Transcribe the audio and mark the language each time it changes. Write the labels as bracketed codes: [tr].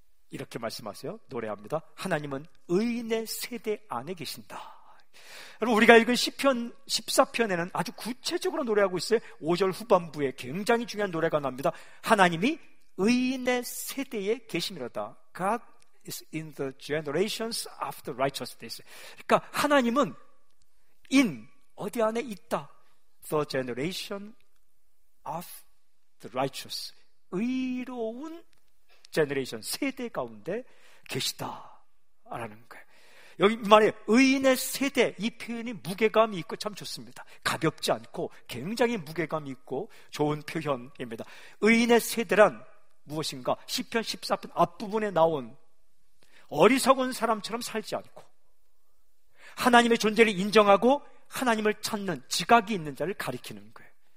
[ko] 이렇게 말씀하세요. 노래합니다. 하나님은 의인의 세대 안에 계신다. 여러분, 우리가 읽은 시편 14편에는 아주 구체적으로 노래하고 있어요. 5절 후반부에 굉장히 중요한 노래가 나옵니다. 하나님이 의인의 세대에 계심이로다. [en] God is in the generations of the righteous days. [ko] 그러니까 하나님은 in 어디 안에 있다. [en] The generation of the righteous. [ko] 의로운 generation 세대 가운데 계시다라는 거예요. 여기 말에 의인의 세대, 이 표현이 무게감이 있고 참 좋습니다. 가볍지 않고 굉장히 무게감이 있고 좋은 표현입니다. 의인의 세대란 무엇인가? 시편 14편 앞부분에 나온 어리석은 사람처럼 살지 않고 하나님의 존재를 인정하고 하나님을 찾는 지각이 있는 자를 가리키는 거예요.